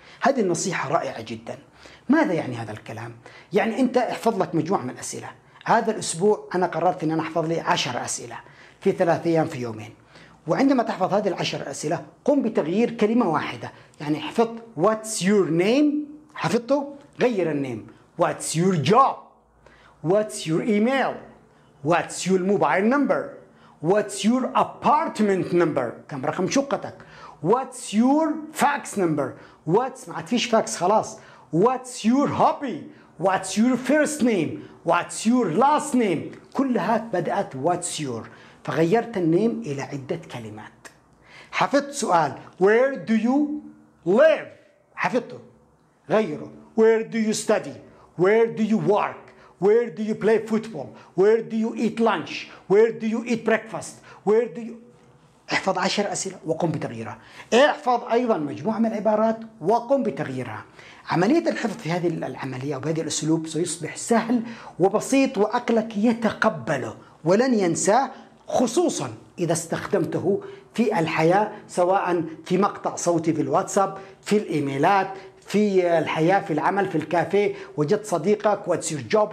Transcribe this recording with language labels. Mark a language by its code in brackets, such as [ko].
[ar] هذه النصيحة رائعة جدا. ماذا يعني هذا الكلام؟ يعني أنت احفظ لك مجموعة من الأسئلة. هذا الأسبوع أنا قررت أن أحفظ لي 10 أسئلة في 3 أيام في يومين. وعندما تحفظ هذه 10 أسئلة قم بتغيير كلمة واحدة. يعني احفظ [en] What's your name؟ [ar] حفظته؟ غير النيم. [en] What's your job? What's your email? What's your mobile number? What's your apartment number? [ar] كم رقم شقتك؟ [en] What's your fax number? What's [ar] ما فيش fax خلاص. [en] What's your hobby? What's your first name? What's your last name? [ar] كلها بدأت [en] What's your. [ar] فغيرت النيم إلى عدة كلمات. حفظت سؤال [en] Where do you live? [ar] حفظته. غيره. [en] Where do you study? Where do you work? Where do you play football? Where do you eat lunch? Where do you eat breakfast? Where do you... [ar] احفظ 10 أسئلة وقم بتغييرها. احفظ أيضا مجموعة من العبارات وقم بتغييرها. عملية الحفظ في هذه العملية وبهذه الأسلوب سيصبح سهل وبسيط وعقلك يتقبله ولن ينساه, خصوصا إذا استخدمته في الحياة سواء في مقطع صوتي في الواتساب في الإيميلات في الحياة في العمل في الكافيه وجدت صديقك [en] What's your job?